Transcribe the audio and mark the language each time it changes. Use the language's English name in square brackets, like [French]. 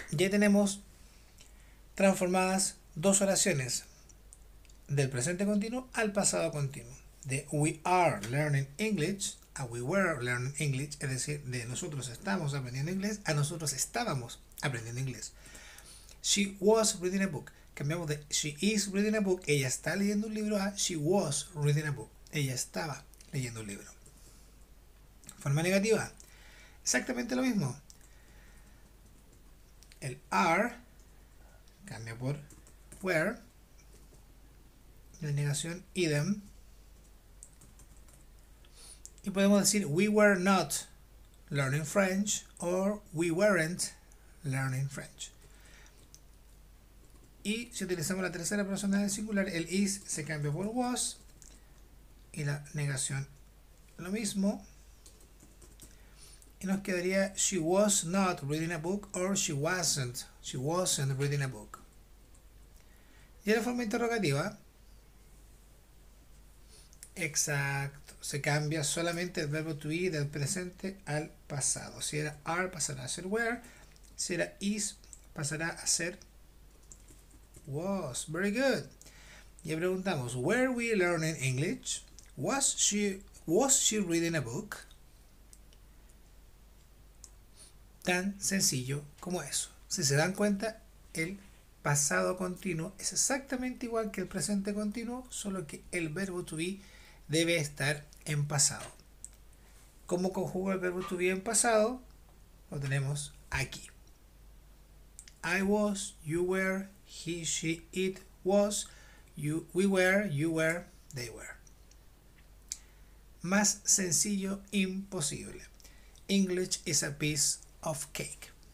[Spanish] Ya tenemos transformadas dos oraciones del presente continuo al pasado continuo. De [English] we are learning English [Spanish] a [English] we were learning English, [Spanish] es decir, de nosotros estamos aprendiendo inglés a nosotros estábamos aprendiendo inglés. [English] She was reading a book. [Spanish] Cambiamos de [English] she is reading a book. [Spanish] Ella está leyendo un libro a [English] she was reading a book. [Spanish] Ella estaba leyendo un libro. Forma negativa. Exactamente lo mismo. El are cambia por were. La negación, idem. Y podemos decir [English] we were not learning French [Spanish] or we weren't learning French. Y si utilizamos la tercera persona del singular, el is se cambia por was y la negación lo mismo. Y nos quedaría [English] she was not reading a book [Spanish] or she wasn't reading a book. Y en la forma interrogativa, exacto, se cambia solamente el verbo to be del presente al pasado. Si era are, pasará a ser were. Si era is, pasará a ser was. [English] Very good. [Spanish] Y preguntamos, [English] were we learning English? Was she reading a book? [Spanish] Tan sencillo como eso. Si se dan cuenta, el pasado continuo es exactamente igual que el presente continuo, solo que el verbo to be debe estar en pasado. ¿Cómo conjugo el verbo to be en pasado? Lo tenemos aquí. [English] I was, you were, he, she, it was, we were, you were, they were. [Spanish] Más sencillo imposible. [English] English is a piece of cake.